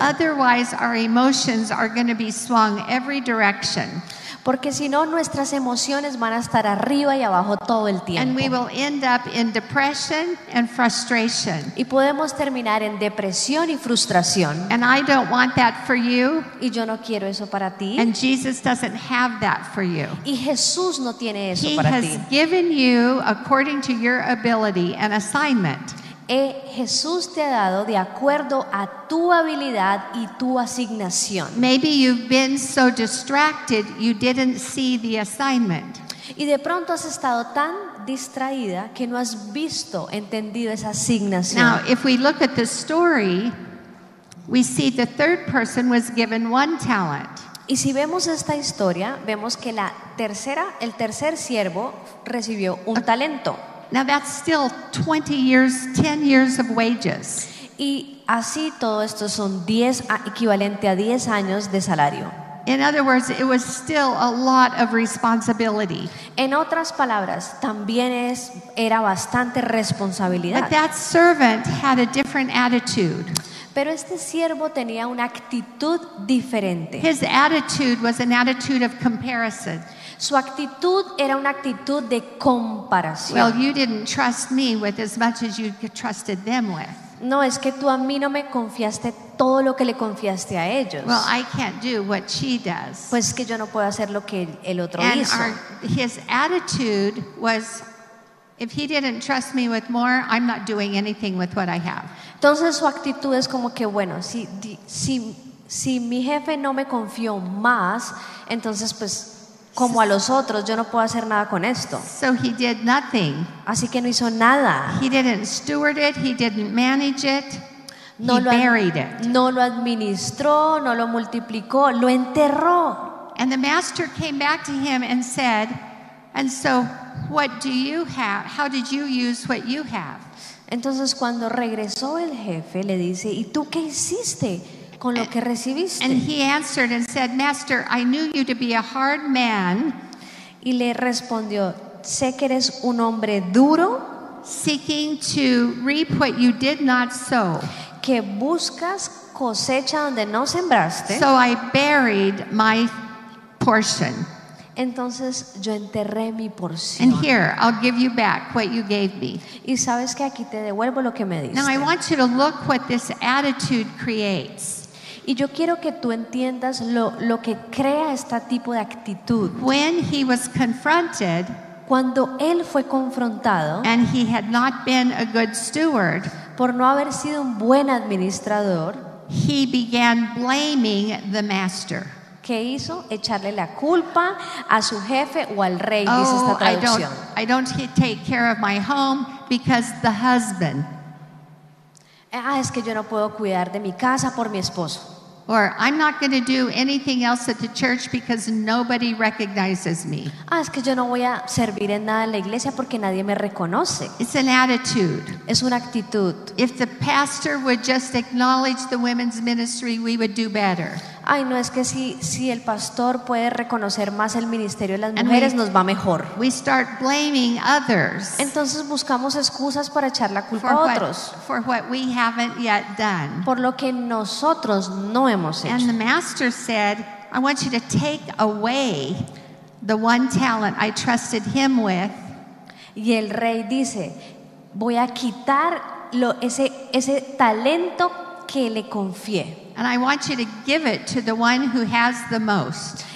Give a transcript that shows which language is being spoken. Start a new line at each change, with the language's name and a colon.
English: Otherwise, our emotions are going to be swung every direction.
Spanish: Porque si no, nuestras emociones van a estar arriba y abajo todo el tiempo.
English: And we will end up in depression and frustration.
Spanish: Y podemos terminar en depresión y frustración.
English: And I don't want that for you.
Spanish: Y yo no quiero eso para ti.
English: And Jesus doesn't have that for you.
Spanish: Y Jesús no tiene eso
English: he
Spanish: para ti.
English: He has given you, according to your ability, an assignment.
Spanish: Jesús te ha dado de acuerdo a tu habilidad y tu asignación.
English: Maybe you've been so distracted you didn't see the assignment.
Spanish: Y de pronto has estado tan distraída que no has visto, entendido esa asignación.
English: Now, if we look at the story, we see the third person was given one talent.
Spanish: Y si vemos esta historia, vemos que el tercer siervo recibió un talento.
English: Now that's still 20 years, 10 years of wages.
Spanish: Y así todo esto son 10 equivalente a 10 años de salario.
English: In other words, it was still a lot of responsibility.
Spanish: En otras palabras, también era bastante responsabilidad.
English: But that servant had a different attitude.
Spanish: Pero este siervo tenía una actitud diferente.
English: His attitude was an attitude of comparison.
Spanish: Su actitud era una actitud de comparación.
English: Well, you didn't trust me with as much as you trusted them with.
Spanish: No, es que tú a mí no me confiaste todo lo que le confiaste a ellos.
English: Well, I can't do what she does.
Spanish: Pues que yo no puedo hacer lo que el otro
English: and
Spanish: hizo.
English: And his attitude was, if he didn't trust me with more, I'm not doing anything with what I have.
Spanish: Entonces su actitud es como que bueno, si mi jefe no me confió más, entonces pues como a los otros, yo no puedo hacer nada con esto.
English: So he did nothing.
Spanish: Así que no hizo nada.
English: He didn't steward it, he didn't manage it.
Spanish: No
English: he buried it.
Spanish: No lo administró, no lo multiplicó, lo enterró.
English: And the master came back to him and said, "And so what do you have? How did you use what you have?"
Spanish: Entonces cuando regresó el jefe le dice, "¿Y tú qué hiciste con lo que recibiste?"
English: And he answered and said, "Master, I knew you to be a hard man."
Spanish: Y le respondió, "Sé que eres un hombre duro,
English: seeking to reap what you did not sow."
Spanish: Que buscas cosecha donde no sembraste.
English: "So I buried my portion."
Spanish: Entonces yo enterré mi porción.
English: "And here, I'll give you back what you gave me."
Spanish: Y sabes que aquí te devuelvo lo que me diste.
English: Now I want you to look what this attitude creates.
Spanish: Y yo quiero que tú entiendas lo que crea este tipo de actitud.
English: When he was confronted,
Spanish: cuando él fue confrontado,
English: and he had not been a good steward,
Spanish: por no haber sido un buen administrador,
English: he began blaming the master.
Spanish: ¿Qué hizo? Echarle la culpa a su jefe o al rey, oh, dice esta traducción.
English: I don't take care of my home because the husband.
Spanish: Ah, es que yo no puedo cuidar de mi casa por mi esposo.
English: Or I'm not going to do anything else at the church because nobody recognizes me.
Spanish: Ah, es que yo no voy a servir en nada en la iglesia porque nadie me reconoce.
English: It's an attitude.
Spanish: Es una actitud.
English: If the pastor would just acknowledge the women's ministry, we would do better.
Spanish: Ay, no, es que si el pastor puede reconocer más el ministerio de las mujeres, nos va mejor.
English: We start blaming others.
Spanish: Entonces buscamos excusas para echar la culpa a otros.
English: For what we haven't yet done.
Spanish: Por lo que nosotros no hemos hecho.
English: And the master said, I want you to take away the one talent I trusted him with.
Spanish: Y el rey dice, voy a quitar ese talento que le confié.
English: And I want you to give it to the one who has the most.